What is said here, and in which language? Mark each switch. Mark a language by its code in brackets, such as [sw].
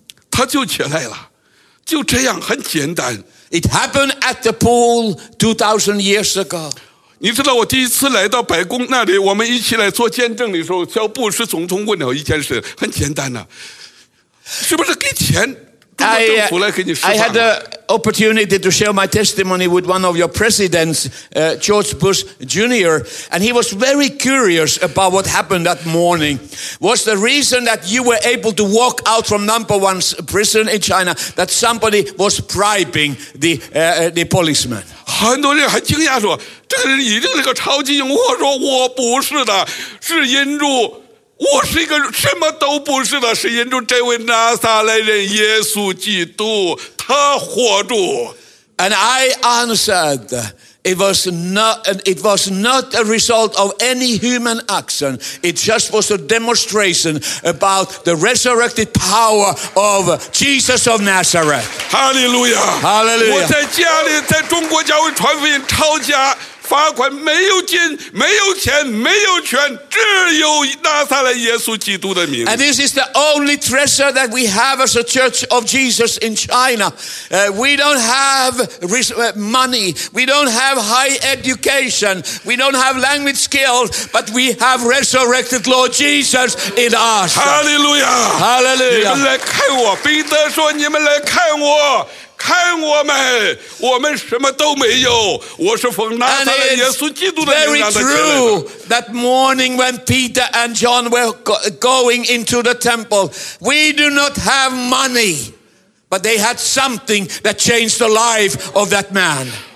[zh] 他就起来了，就这样很简单。 [en] It happened at the pool 2000 years ago. [zh] 你知道我第一次来到白宫那里，我们一起来做见证的时候，小布什总统问了一件事，很简单的、啊，是不是给钱？ [en] I had the opportunity to share my testimony with one of your presidents, George Bush Jr., and he was very curious about what happened that morning. Was the reason that you were able to walk out from number one's prison in China that somebody was bribing the policeman? [zh] 很多人还惊讶说，这个人一定是个超级英雄，说我不是的，是因着我是一个什么都不是的，是因着这位拿撒勒人耶稣基督，他活着。 [en] And I answered, it was not a result of any human action. It just was a demonstration about the resurrected power of Jesus of Nazareth. Hallelujah! Hallelujah! [zh] 我在家里，在中国教会传福音，抄家。罚款没有金，没有钱，没有权，只有拿撒勒耶稣基督的名。 [en] And this is the only treasure that we have as a church of Jesus in China. We don't have money. We don't have high education. We don't have language skills. But we have resurrected Lord Jesus in us. Hallelujah! Hallelujah! [zh] 你们来看我，彼得说：“你们来看我。” 看我们，我们什么都没有。我是奉拿撒勒耶稣基督的名让他起来的。 [en] And it's very true that morning when Peter and John were going into the temple, we do not have money, but they had something that changed the life of that man.